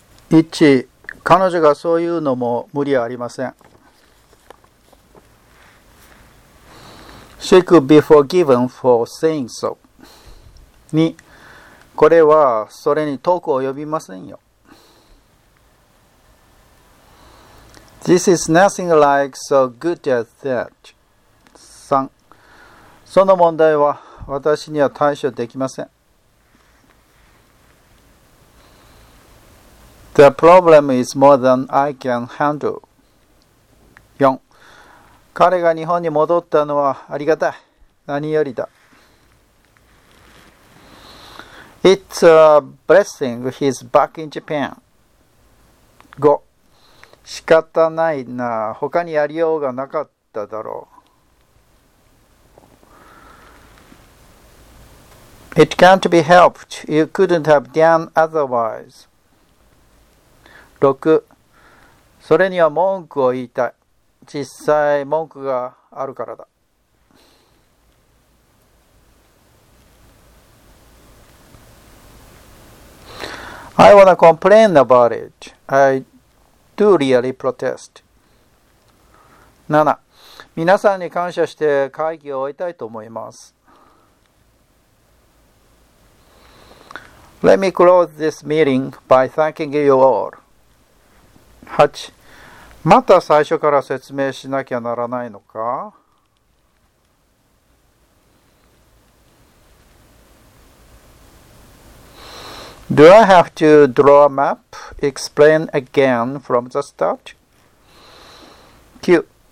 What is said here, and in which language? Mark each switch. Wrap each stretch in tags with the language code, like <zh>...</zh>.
<ja>1、彼女がそういうのも無理はありません。</ja> <en>She could be forgiven for saying so.</en> <ja>2、これはそれに遠く及びませんよ。</ja> <en>This is nothing like so good as that.</en> <ja>3、その問題は私には対処できません。</ja> <en>The problem is more than I can handle. 4.</en> <ja>彼が日本に戻ったのはありがたい。何よりだ。</ja> <en>It's a blessing he's back in Japan. 5.</en> <ja>仕方ないな。他にやりようがなかっただろう。</ja> <en>It can't be helped. You couldn't have done otherwise. 6.</en> <ja>それには文句を言いたい。実際文句があるからだ。</ja> <en>I wanna complain about it. I do really protest. 7.</en> <ja>皆さんに感謝して会議を終えたいと思います。</ja> <en>Let me close this meeting by thanking you all. 8.</en> <ja>また最初から説明しなきゃならないのか?</ja> <en>Do I have to draw a map? Explain again from the start? 9.</en>